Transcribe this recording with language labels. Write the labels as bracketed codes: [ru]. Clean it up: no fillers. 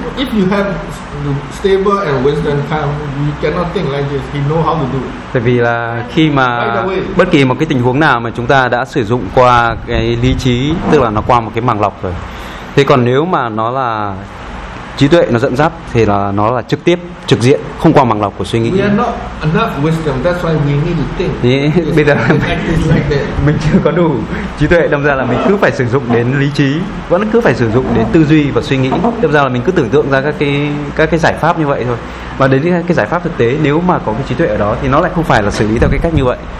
[en] If you have stable and wisdom calm, you cannot think like this. He know how to do. [vi] Tại vì là khi mà bất kỳ một cái tình huống nào mà chúng ta đã sử dụng qua cái lý trí, tức là nó qua một cái màng lọc rồi. Thế còn nếu mà nó là trí tuệ nó dẫn dắt thì là nó là trực tiếp, trực diện, không qua màng lọc của suy nghĩ. [en] We are not enough wisdom, that's why we need to think. [vi] Bây giờ mình chưa có đủ trí tuệ, đâm ra là mình cứ phải sử dụng đến lý trí, vẫn cứ phải sử dụng đến tư duy và suy nghĩ. Đâm ra là mình cứ tưởng tượng ra các cái giải pháp như vậy thôi. Và đến cái giải pháp thực tế, nếu mà có cái trí tuệ ở đó thì nó lại không phải là xử lý theo cái cách như vậy.